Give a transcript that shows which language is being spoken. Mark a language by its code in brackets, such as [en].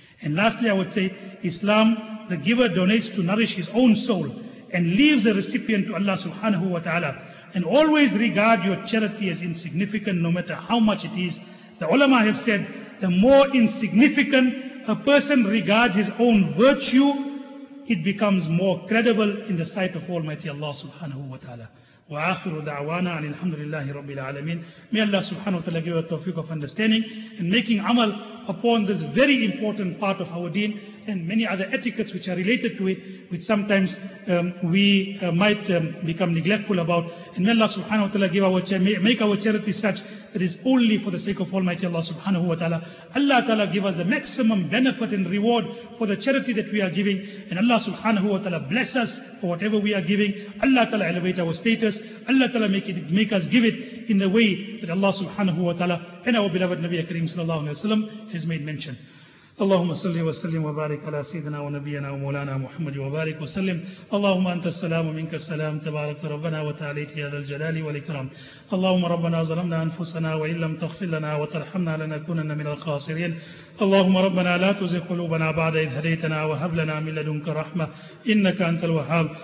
[en] And lastly, I would say, Islam, the giver donates to nourish his own soul and leaves the recipient to Allah subhanahu wa ta'ala. And always regard your charity as insignificant no matter how much it is. The ulama have said, the more insignificant a person regards his own virtue, it becomes more credible in the sight of Almighty Allah subhanahu wa ta'ala. [ar] وآخر دعوانا عن الحمد لله رب العالمين. [en] May Allah subhanahu wa ta'ala give you the tawfiq of understanding and making amal upon this very important part of our deen and many other etiquettes which are related to it, which sometimes we might become neglectful about. And may Allah subhanahu wa ta'ala give our make our charity such that is only for the sake of Almighty Allah subhanahu wa ta'ala. Allah ta'ala give us the maximum benefit and reward for the charity that we are giving. And Allah subhanahu wa ta'ala bless us for whatever we are giving. Allah ta'ala elevate our status. Allah ta'ala make us give it in the way that Allah subhanahu wa ta'ala and our beloved Nabi Kareem sallallahu alayhi wa sallam has made mention. [ar] اللهم صل وسلم وبارك على سيدنا ونبينا ومولانا محمد وبارك وسلم. اللهم انت السلام ومنك السلام، تبارك ربنا وتعاليت يا ذا الجلال والاكرام. اللهم ربنا ظلمنا انفسنا وان لم تغفر لنا وترحمنا لنكونن من الخاسرين. اللهم ربنا لا تزغ قلوبنا بعد إذ هديتنا وهب لنا من لدنك رحمة إنك أنت الوهاب.